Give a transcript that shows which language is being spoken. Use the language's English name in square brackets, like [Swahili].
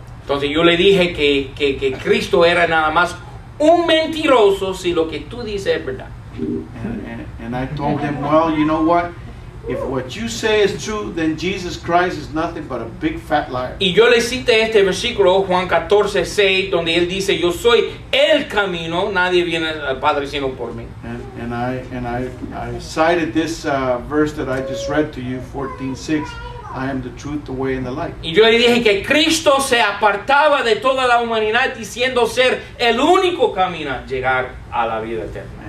[Spanish] Entonces yo le dije que Cristo era nada más un mentiroso si lo que tú dices es verdad. [English] And I told him, well, you know what? If what you say is true, then Jesus Christ is nothing but a big fat liar. [Spanish] Y yo le cité este versículo, Juan 14, 6, donde él dice, yo soy el camino, nadie viene al Padre sino por mí. [English] And I cited this verse that I just read to you, 14:6. I am the truth, the way, and the life. [Spanish] Y yo le dije que Cristo se apartaba de toda la humanidad diciendo ser el único camino a llegar a la vida eterna.